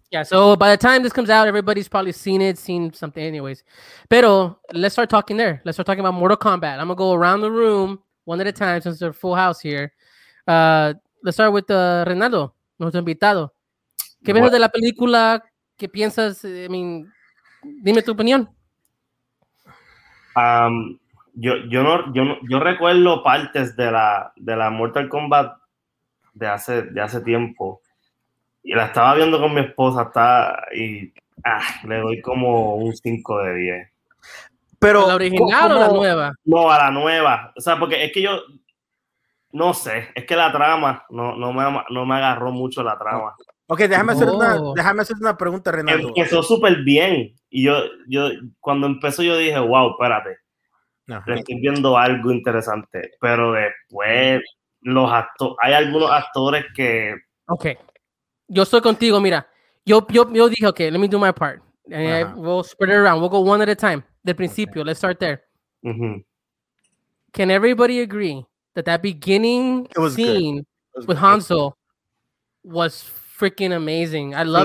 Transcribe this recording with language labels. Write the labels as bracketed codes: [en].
[en] Yeah, so by the time this comes out, everybody's probably seen something anyways. [es] Pero [en] let's start talking there. Let's start talking about Mortal Kombat. I'm going to go around the room one at a time since they're full house here. Let's start with Renaldo, [es] nuestro invitado. ¿Qué piensas de la película? ¿Qué piensas? [en] I mean, [es] dime tu opinión. Yo recuerdo partes de la Mortal Kombat de hace tiempo. Y la estaba viendo con mi esposa, le doy como un 5 de 10. Pero ¿la original o la nueva? No, a la nueva. O sea, porque es que yo no sé, es que la trama no me agarró mucho la trama. Ok, déjame hacer una pregunta, Renaldo. Empezó súper bien. Y yo cuando empezó yo dije, wow, espérate. No. Le estoy viendo algo interesante. Pero después, hay algunos actores que... Ok, yo estoy contigo, mira. Yo dije, ok, [en] let me do my part. And we'll spread it around. We'll go one at a time. [es] Del principio, [en] okay. Let's start there. Mm-hmm. Can everybody agree that beginning scene with Hanzo was freaking amazing. I loved